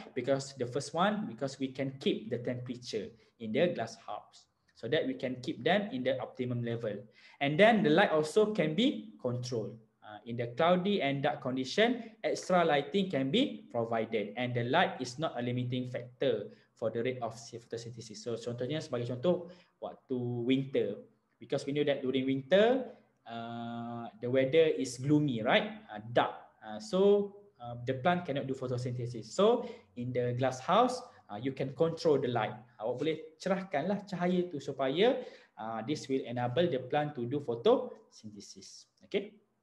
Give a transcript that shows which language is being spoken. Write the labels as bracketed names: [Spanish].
[English] Because the first one, because we can keep the temperature in the glass house, so that we can keep them in the optimum level. And then the light also can be controlled. In the cloudy and dark condition, extra lighting can be provided. And the light is not a limiting factor for the rate of photosynthesis. [Malay] So contohnya, sebagai contoh, waktu winter. [English] Because we know that during winter, the weather is gloomy, right? Dark. So the plant cannot do photosynthesis. So in the glass house, you can control the light. [Malay] Awak boleh cerahkanlah cahaya tu supaya [English] this will enable the plant to do photosynthesis. Okay.